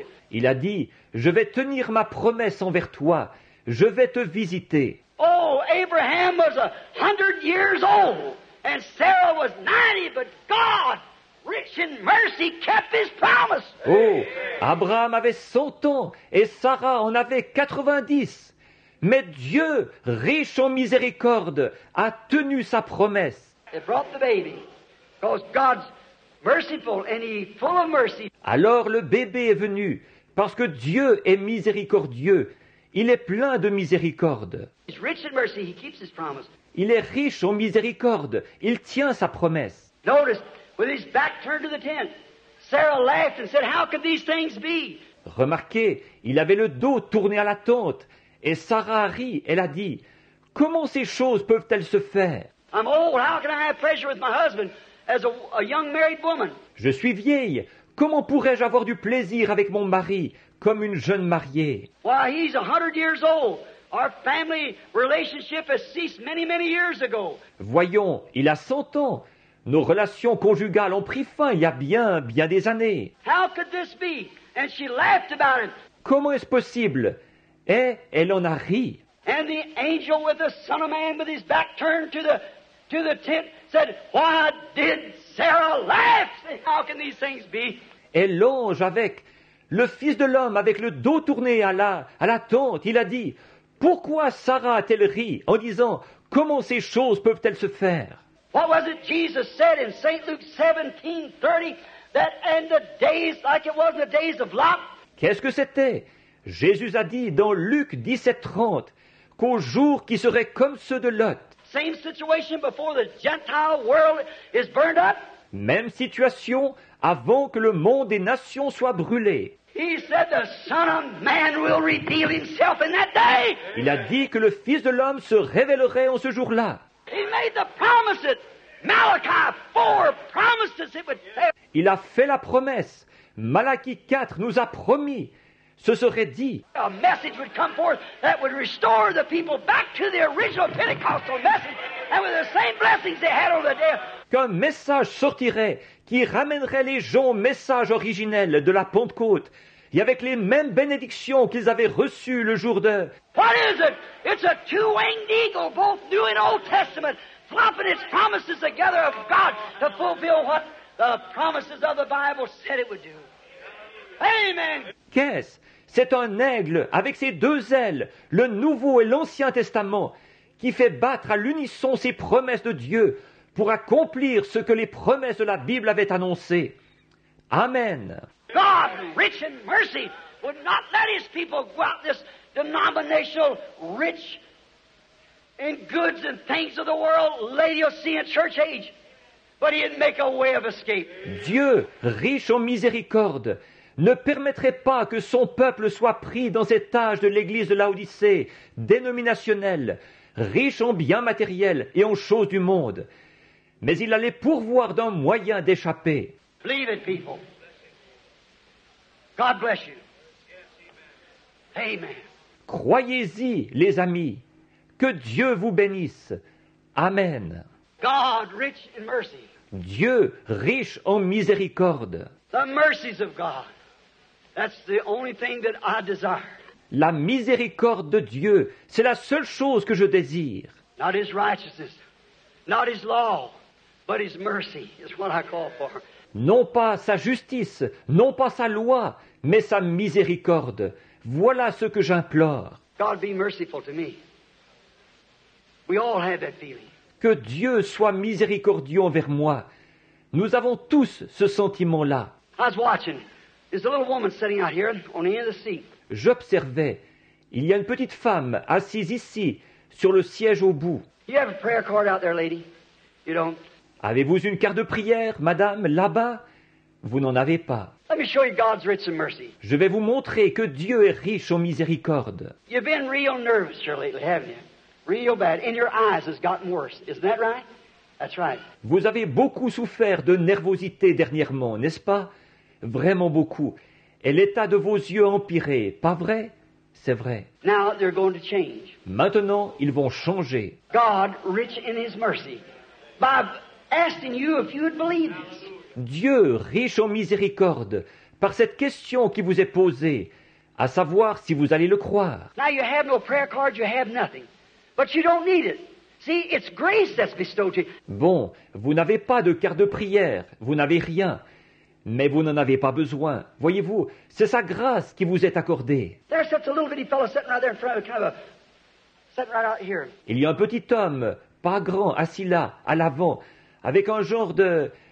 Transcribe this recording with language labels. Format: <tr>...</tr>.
<fr>Il a dit, je vais tenir ma promesse envers toi. Je vais te visiter.</fr> <en>Oh, Abraham was 100 years old and Sarah was 90, but God, rich in mercy, kept his promise.</en> <fr>Oh, Abraham avait 100 ans et Sarah en avait 90. Mais Dieu, riche en miséricorde, a tenu sa promesse.</fr> <en>They brought the baby because God's merciful and he's full of mercy.</en> <fr>Alors le bébé est venu parce que Dieu est miséricordieux. Il est plein de miséricorde.</fr> <en>He's rich in mercy. He keeps his promise.</en> <fr>Il est riche en miséricorde. Il tient sa promesse.</fr> <en>Notice, with his back turned to the tent, Sarah laughed and said, "How could these things be?"</en> <fr>Remarquez, il avait le dos tourné à la tente et Sarah rit. Elle a dit, "Comment ces choses peuvent-elles se faire?"</fr> <en>I'm old. How can I have pleasure with my husband as a young married woman?</en> <fr>Je suis vieille. Comment pourrais-je avoir du plaisir avec mon mari comme une jeune mariée?</fr> <en>Why, he's 100 years old. Our family relationship has ceased many, many years ago.</en> <fr>Voyons, il a 100 ans. Nos relations conjugales ont pris fin il y a bien, bien des années.</fr> <en>How could this be? And she laughed about it.</en> <fr>Comment est-ce possible? Et elle en a ri.</fr> <en>And the angel with the son of man with his back turned to the tent said, "Why did Sarah laugh? How can these things be?"</en> <fr>Et l'ange avec le fils de l'homme avec le dos tourné à la tente, il a dit, pourquoi Sarah a-t-elle ri en disant, comment ces choses peuvent-elles se faire?</fr> <en>What was it Jesus said in St. Luke 17:30 that in the days like it was in the days of Lot?</en> <fr>Qu'est-ce que c'était? Jésus a dit dans Luc 17:30 qu'au jour qui serait comme ceux de Lot.</fr> <en>Same situation before the Gentile world is burned up.</en> <fr>Même situation avant que le monde des nations soit brûlé.</fr> <en>He said the Son of Man will reveal himself in that day.</en> <fr>Il a dit que le Fils de l'homme se révélerait en ce jour-là.</fr> <en>He made the promises. Malachi 4 promises it would happen.</en> <fr>Il a fait la promesse. Malachi 4 nous a promis. Ce serait dit.</fr> <en>A message would come forth that would restore the people back to the original Pentecostal message and with the same blessings they had on the day.</en> <fr>Qu'un message sortirait qui ramènerait les gens au message originel de la Pentecôte et avec les mêmes bénédictions qu'ils avaient reçues le jour de.</fr> <en>What is it? It's a two-winged eagle, both New and Old Testament, flopping its promises together of God to fulfill what the promises of the Bible said it would do. Amen.</en> <fr>Qu'est-ce? C'est un aigle avec ses deux ailes, le Nouveau et l'Ancien Testament, qui fait battre à l'unisson ses promesses de Dieu pour accomplir ce que les promesses de la Bible avaient annoncé. Amen.</fr> <en>God, rich in mercy, would not let his people go out this denominational rich in goods and things of the world, Laodicean church age, but he'd make a way of escape.</en> <fr>Dieu, riche en miséricorde, ne permettrait pas que son peuple soit pris dans cet âge de l'église de Laodicée, dénominationnelle, riche en biens matériels et en choses du monde. Mais il allait pourvoir d'un moyen d'échapper.</fr> <en>Believe it, people. God bless you. Amen.</en> <fr>Croyez-y, les amis, que Dieu vous bénisse. Amen.</fr> <en>God, rich in mercy.</en> <fr>Dieu, riche en miséricorde.</fr> <en>The mercies of God. That's the only thing that I desire.</en> <fr>La miséricorde de Dieu, c'est la seule chose que je désire.</fr> <en>Not his righteousness, not his law, but his mercy is what I call for.</en> <fr>Non pas sa justice, non pas sa loi, mais sa miséricorde. Voilà ce que j'implore.</fr> <en>God be merciful to me. We all have that feeling.</en> <fr>Que Dieu soit miséricordieux envers moi. Nous avons tous ce sentiment-là.</fr> <en>I was watching. There's a little woman sitting out here on the end of the seat.</en> <fr>J'observais, il y a une petite femme assise ici sur le siège au bout.</fr> <en>You have a prayer card out there, lady. You don't.</en> <fr>Avez-vous une carte de prière, madame, là-bas? Vous n'en avez pas.</fr> <en>Let me show you God's rich in mercy.</en> <fr>Je vais vous montrer que Dieu est riche en miséricorde.</fr> <en>You've been real nervous here lately, haven't you? Real bad. And your eyes has gotten worse. Isn't that right? That's right.</en> <fr>Vous avez beaucoup souffert de nervosité dernièrement, n'est-ce pas? Vraiment beaucoup. Et l'état de vos yeux empiré, pas vrai? C'est vrai.</fr> <en>Now they're going to change.</en> <fr>Maintenant, ils vont changer.</fr> <en>God, rich in his mercy, by asking you if you would believe this.</en> <fr>Dieu, riche en miséricorde, par cette question qui vous est posée, à savoir si vous allez le croire.</fr> <en>Now you have no prayer card, you have nothing. But you don't need it. See, it's grace that's bestowed to you.</en> <fr>Bon, vous n'avez pas de carte de prière, vous n'avez rien. Mais vous n'en avez pas besoin. Voyez-vous, c'est sa grâce qui vous est accordée.</fr> <en>There's such a little bitty fellow sitting right there in front of you, kind of a... sitting right out here.</en> <fr>Il y a un petit homme, pas grand, assis là, à l'avant, avec un genre de...</fr>